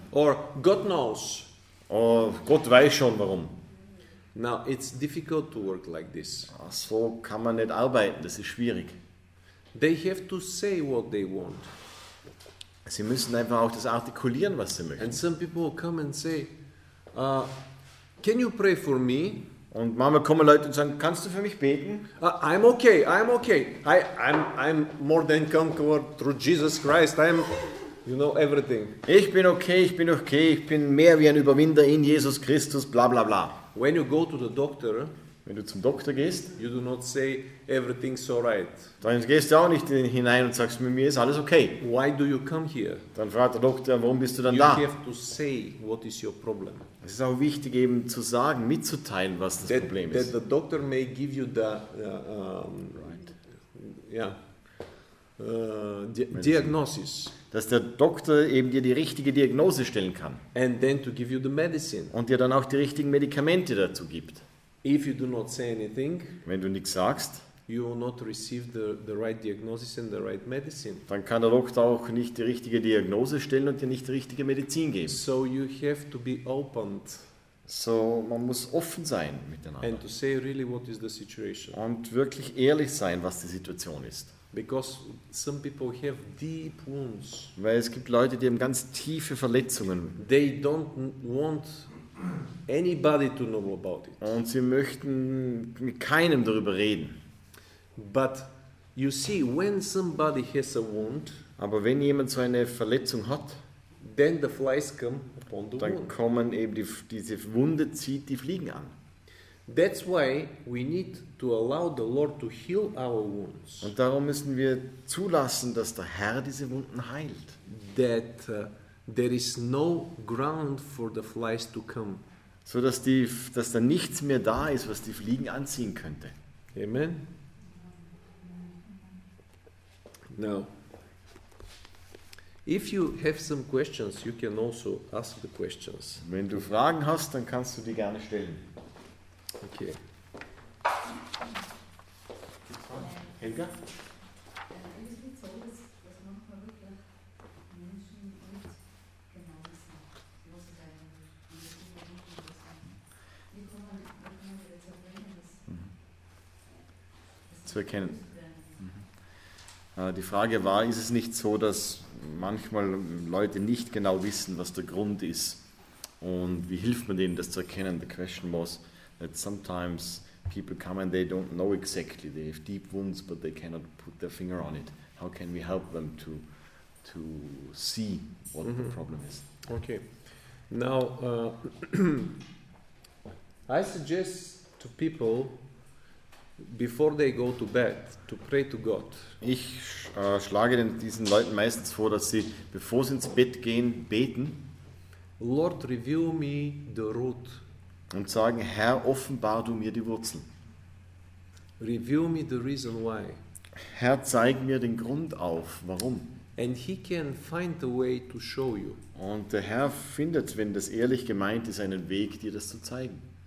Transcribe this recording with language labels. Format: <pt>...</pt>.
<en>Or God knows.</en> <de>Oh, Gott weiß schon warum.</de> <en>Now it's difficult to work like this.</en> <de>Ach, so kann man nicht arbeiten, das ist schwierig.</de> <en>They have to say what they want.</en> <de>Sie müssen einfach auch das artikulieren, was sie möchten.</de> <en>And some people come and say, "Can you pray for me?"</en> <de>Und manchmal kommen Leute und sagen, kannst du für mich beten?</de> <en>I'm okay. I'm more than conqueror through Jesus Christ. I'm, you know, everything.</en> <de>Ich bin okay. Ich bin mehr wie ein Überwinder in Jesus Christus. Bla bla bla.</de> <en>When you go to the doctor,</en> <de>wenn du zum Doktor gehst,</de> <en>you do not say everything's all right.</en> <de>Dann gehst du auch nicht hinein und sagst, mit mir ist alles okay.</de> <en>Why do you come here?</en> <de>Dann fragt der Doktor, warum bist du dann</de> <en>you</en> <de>da?</de> <en>You have to say what is your problem.</en> <de>Es ist auch wichtig, eben zu sagen, mitzuteilen, was das Problem ist.</de> <en>That the doctor may give you the diagnosis.</en> <de>Dass der Doktor eben dir die richtige Diagnose stellen kann.</de> <en>And then to give you the medicine.</en> <de>Und dir dann auch die richtigen Medikamente dazu gibt.</de> <en>If you do not say anything,</en> <de>wenn du nichts sagst,</de> <en>you will not receive the right diagnosis and the right medicine.</en> <de>Dann kann der Doktor auch nicht die richtige Diagnose stellen und dir nicht die richtige Medizin geben.</de> <en>So you have to be opened.</en> <de>So man muss offen sein miteinander.</de> <en>And to say really what is the situation.</en> <de>Und wirklich ehrlich sein, was die Situation ist.</de> <en>Because some people have deep wounds.</en> <de>Weil es gibt Leute, die haben ganz tiefe Verletzungen.</de> <en>They don't want anybody to know about it.</en> <de>Und sie möchten mit keinem darüber reden.</de> <en>But you see, when somebody has a wound,</en> <de>aber wenn jemand so eine Verletzung hat,</de> <en>then the flies come upon the</en> <de>dann</de> <en>wound.</en> <de>Kommen eben diese Wunde zieht die Fliegen an.</de> <en>That's why we need to allow the Lord to heal our wounds.</en> <de>Und darum müssen wir zulassen, dass der Herr diese Wunden heilt.</de> <en>That there is no ground for the flies to come.</en> <de>So dass da nichts mehr da ist, was die Fliegen anziehen könnte.</de> <en>Amen. Now, if you have some questions, you can also ask the questions.</en> <de>Wenn du Fragen hast, dann kannst du die gerne stellen.</de> <en>Okay. Helga?</en> <de>Zu erkennen. Die Frage war, ist es nicht so, dass manchmal Leute nicht genau wissen, was der Grund ist und wie hilft man denen, das zu erkennen?</de> <en>The question was that sometimes people come and they don't know exactly. They have deep wounds, but they cannot put their finger on it. How can we help them to see what the problem is? Okay. Now, I suggest to people before they go to bed, to pray to God.</en> <de>Ich schlage diesen Leuten meistens vor, dass sie, bevor sie ins Bett gehen, beten.</de> <en>Lord, reveal me the root.</en> <de>Und sagen, Herr, offenbar du mir die Wurzeln.</de> <en>Reveal me the reason why.</en> <de>Herr, zeig mir den Grund auf, warum.</de> <en>And he can find a way to show you.</en> <de>Und der Herr findet, wenn das ehrlich gemeint ist, einen Weg, dir das zu zeigen.</de>